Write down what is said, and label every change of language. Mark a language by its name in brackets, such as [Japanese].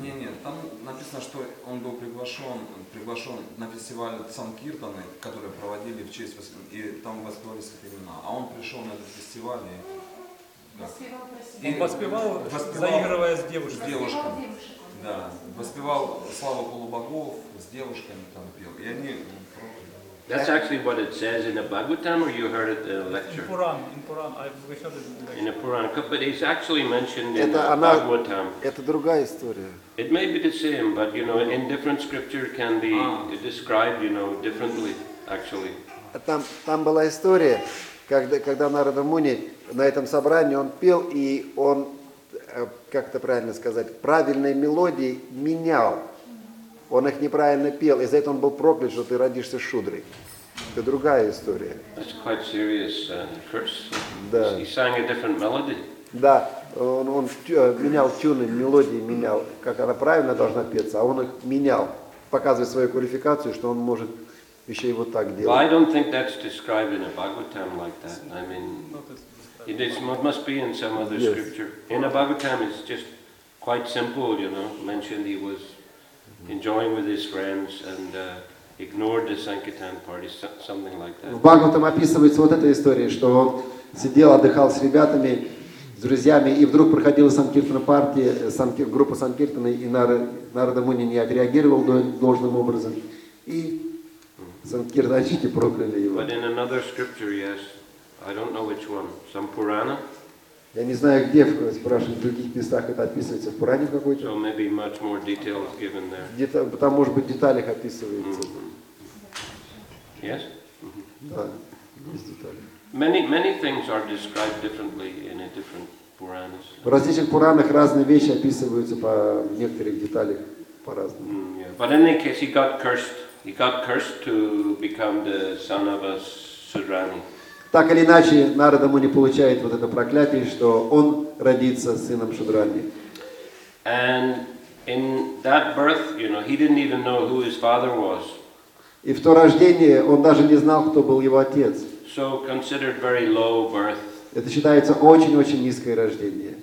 [Russian] Не, там написано, что он был приглашен на фестиваль Санкиртаны, который проводили в честь и там воспевались их имена. А он пришел на этот фестиваль и воспевал, заигрывая с девушками. Да, воспевал славу полубогов с девушками там пел. И они. [English] That's actually what it says in the Bhagavatam, or you heard it in the lecture? In Puran, I've heard it in the Puran. But it's actually mentioned in the Bhagavatam. [Russian] Это другая история. [English] It may be the same, but in different scripture can be described, differently, actually. [Russian] Там была история, когда Нарада Муни на этом собрании он пел и он как это правильно сказать правильной мелодии менял. Он их неправильно пел, и за это он был проклят, что ты родишься шудрой. Это другая история. [English] That's quite serious curse. [Russian] Да. [English] He sang a different melody. [Russian] Да, он менял тюны, мелодии менял, как она правильно должна петься, а он их менял, показывая свою квалификацию, что он может еще и вот так делать. [English] Well, I don't think that's described in a Bhagavatam like that. I mean, it must be in some other scripture. In a Bhagavatam, it's just quite simple, mentioned he was enjoying with his friends and ignored the Sankirtan party, something like that. [Russian] В Бхагаватам описывается вот эта история, что он сидел, отдыхал с ребятами, с друзьями, и вдруг проходила Санкиртана партия, группа Санкиртаны, и Нарада Муни не отреагировал должным образом, и Санкиртанщики прокляли его. [English] But in another scripture, yes, I don't know which one, some Purana. [Russian] Я не знаю, где, спрашиваю, в других местах это описывается, в Пуране какой-то. [English] So maybe much more details given there. [Russian] Где-то, там, может быть, в деталях описывается. Mm-hmm. [English] Yes? [Russian] Mm-hmm. Да, есть детали. [English] Many things are described differently in a different Puranas. [Russian] В различных Пуранах разные вещи описываются по некоторых деталях по-разному. Mm, [English] yeah. But in any case, he got cursed. He got cursed to become the son of a Sudrani. [Russian] Так или иначе, Нарада Муни получает вот это проклятие, что он родится сыном Шудрани. [English] And In that birth, you know, he didn't even know who his father was. [Russian] И в то рождение он даже не знал, кто был его отец. [English] So considered very low birth. [Russian] Это считается очень-очень низкое рождение.